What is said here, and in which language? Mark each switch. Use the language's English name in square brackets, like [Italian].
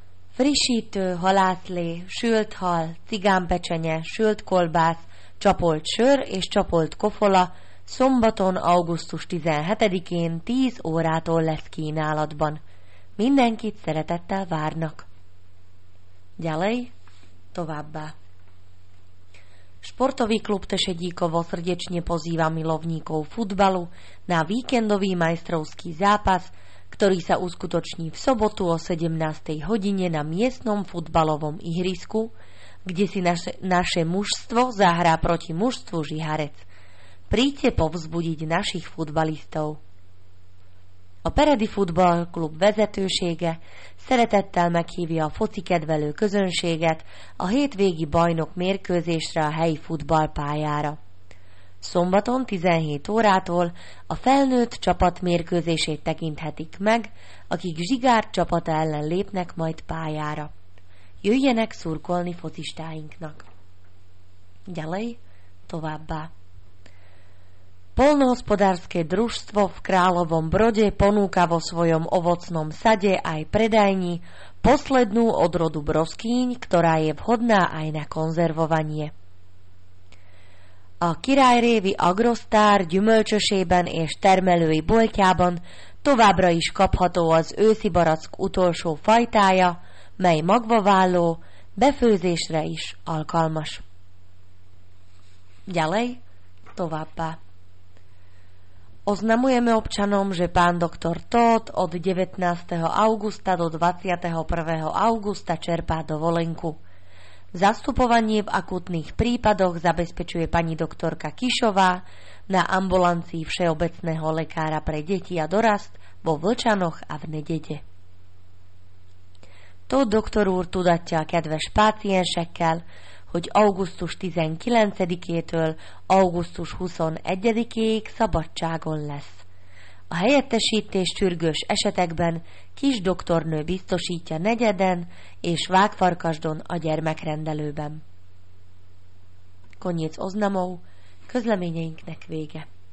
[Hungarian] Frissítő, halászlé, sült hal, cigánpecsenye, sült kolbász, csapolt sör és csapolt kofola szombaton augusztus 17-én 10 órától lesz kínálatban. Mindenkit szeretettel várnak. [Slovak] Ďalej, továbbá. Športový klub Tešedíkovo srdečne pozýva milovníkov futbalu na víkendový majstrovský zápas, ktorý sa uskutoční v sobotu o 17. hodine na miestnom futbalovom ihrisku, kde si naše mužstvo zahrá proti mužstvu Žiharec. Príďte povzbudiť našich futbalistov. [Hungarian] A Peredi Futballklub vezetősége szeretettel meghívja a foci kedvelő közönséget a hétvégi bajnok mérkőzésre a helyi futballpályára. Szombaton 17 órától a felnőtt csapat mérkőzését tekinthetik meg, akik Zsigár csapata ellen lépnek majd pályára. Jöjjenek szurkolni focistáinknak! Gyalej, továbbá! [Slovak] Poľnohospodárske družstvo v Královom Brode ponúka vo svojom ovocnom sade aj predajni poslednú odrodu broskýň, ktorá je vhodná aj na konzervovanie. [Hungarian] A királyrévi agrosztár gyümölcsösében és termelői boltjában továbbra is kapható az őszi barack utolsó fajtája, mely magvaválló, befőzésre is alkalmas. [Slovak] Ďalej, továbbá. Oznamujeme občanom, že pán doktor Tóth od 19. augusta do 21. augusta čerpá dovolenku. Zastupovanie v akutných prípadoch zabezpečuje pani doktorka Kišová na ambulancii všeobecného lekára pre deti a dorast vo Vlčanoch a v Nedede. [Hungarian] Tóth doktor úr tudatja a kedves páciensekkel, hogy augusztus 19-től augusztus 21-ig szabadságon lesz. A helyettesítés sürgős esetekben kis doktornő biztosítja Negyeden és Vágfarkasdon a gyermekrendelőben. [Slovak] Koniec oznamov, [Hungarian] közleményeinknek vége.